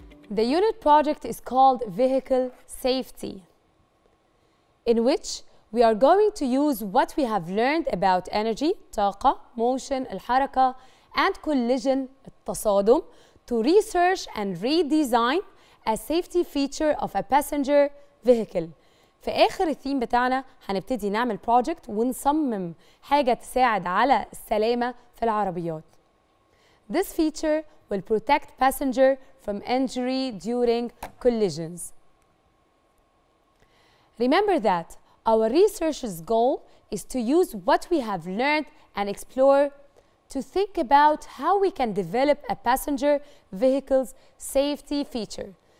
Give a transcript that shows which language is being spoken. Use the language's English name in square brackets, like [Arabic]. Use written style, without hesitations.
[English] The unit project is called Vehicle Safety, in which we are going to use what we have learned about energy, طاقة, motion, الحركة, and collision, التصادم, to research and redesign a safety feature of a passenger vehicle. [Arabic] في آخر الثيم بتاعنا هنبتدي نعمل project ونصمم حاجة تساعد على السلامة في العربيات. [English] This feature will protect passenger from injury during collisions. Remember that our researcher's goal is to use what we have learned and explore to think about how we can develop a passenger vehicle's safety feature.